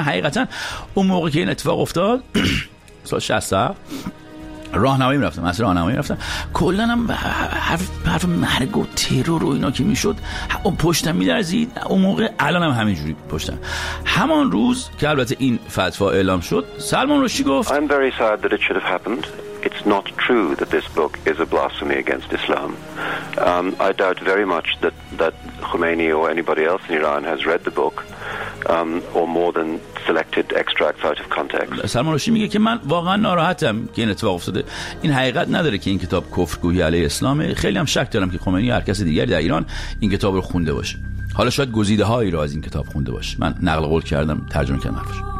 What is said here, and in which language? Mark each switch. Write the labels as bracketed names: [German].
[Persian] من حقیقتا اون موقع که این اتفاق افتاد سال 60 راهنمایی می‌رفتم کلن هم حرف مرگ و ترور و اینا که می شد پشتم می درزید. اون موقع الان هم همین جوری پشتم. همان روز که البته این فتوا اعلام شد سلمان رشدی گفت [English] I'm very sad that it should have happened. It's not true that this book is a blasphemy against Islam. I doubt very much that Khomeini or anybody else in Iran has read the book or more than selected extracts out of context. [Persian] سلمان رشدی میگه که من واقعا ناراحتم که این اتفاق افتاده. این حقیقت نداره که این کتاب کفرگویی علیه اسلامه. خیلی هم شک دارم که خمینی یا هر کس دیگری در ایران این کتاب رو خونده باشه. حالا شاید گزیده هایی رو از این کتاب خونده باشه. من نقل قول کردم، ترجمه کردم حرفش.